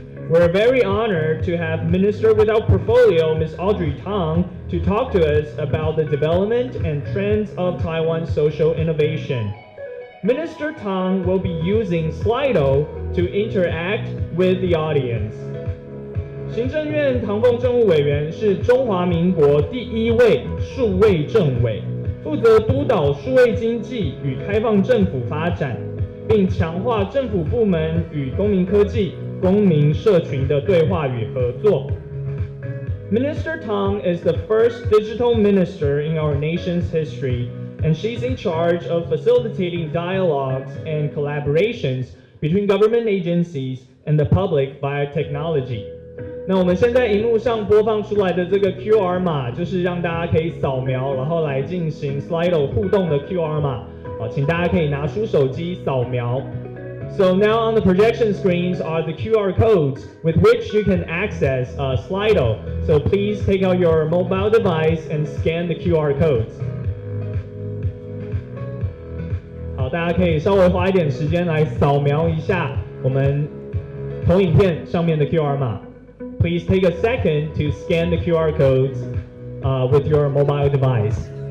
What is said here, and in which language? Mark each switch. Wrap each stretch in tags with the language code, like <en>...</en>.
<en>We're very honored to have Minister Without Portfolio Ms. Audrey Tang to talk to us about the development and trends of Taiwan social innovation. Minister Tang will be using Slido to interact with the audience.</en> <zh>行政院唐鳳政务委员是中华民国第一位数位政委，负责督导数位经济与开放政府发展，并强化政府部门与公民科技、公民社群的对话与合作。</zh> <en>Minister Tang is the first digital minister in our nation's history. And she's in charge of facilitating dialogues and collaborations between government agencies and the public via technology.</en> <zh>那我们现在荧幕上播放出来的这个 QR 码，就是让大家可以扫描，然后来进行 Slido 互动的 QR 码。好，请大家可以拿出手机扫描。</zh> <en>So now on the projection screens are the QR codes with which you can access Slido. So please take out your mobile device and scan the QR codes.</en> <zh>大家可以稍微花一点时间来扫描一下我们投影片上面的 QR 码。</zh> <en>Please take a second to scan the QR codes, with your mobile device.</en>